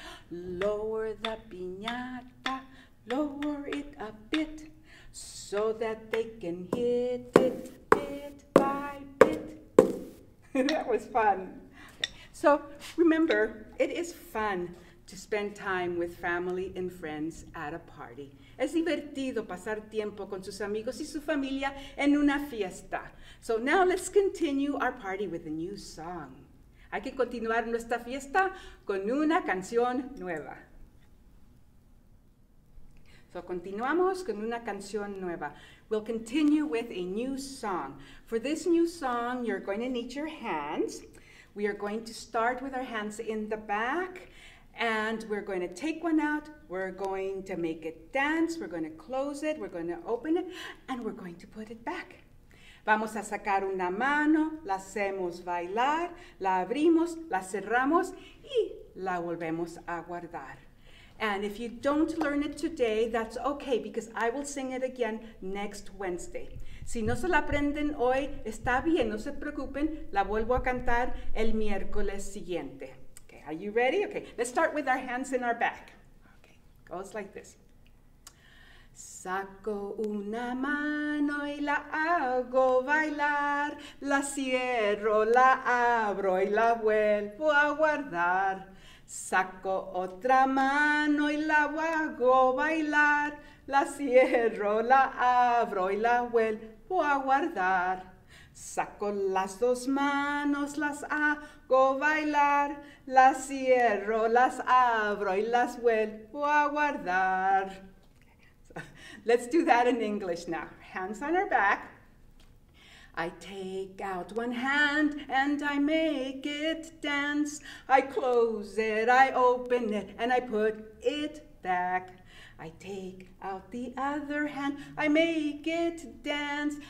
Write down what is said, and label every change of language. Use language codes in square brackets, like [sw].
[en] Lower the piñata, lower it a bit, so that they can hit it bit by bit. That was fun. So remember, it is fun to spend time with family and friends at a party. [es] Es divertido pasar tiempo con sus amigos y su familia en una fiesta. [en] So now let's continue our party with a new song. [es] Hay que continuar nuestra fiesta con una canción nueva. [en] So [es] continuamos con una canción nueva. [en] We'll continue with a new song. For this new song, you're going to need your hands. We are going to start with our hands in the back. And we're going to take one out, we're going to make it dance, we're going to close it, we're going to open it, and we're going to put it back. [es] Vamos a sacar una mano, la hacemos bailar, la abrimos, la cerramos, y la volvemos a guardar. [en] And if you don't learn it today, that's okay, because I will sing it again next Wednesday. [es] Si no se la aprenden hoy, está bien, no se preocupen, la vuelvo a cantar el miércoles siguiente. [en] Are you ready? Okay, let's start with our hands in our back. Okay, goes like this. [es] Saco una mano y la hago bailar. La cierro, la abro y la vuelvo a guardar. Saco otra mano y la hago bailar. La cierro, la abro y la vuelvo a guardar. Saco las dos manos, las hago bailar, las cierro, las abro y las vuelvo a guardar. [en] So, let's do that in English now. Hands on our back. I take out one hand and I make it dance. I close it, I open it, and I put it back. I take out the other hand, I make it dance.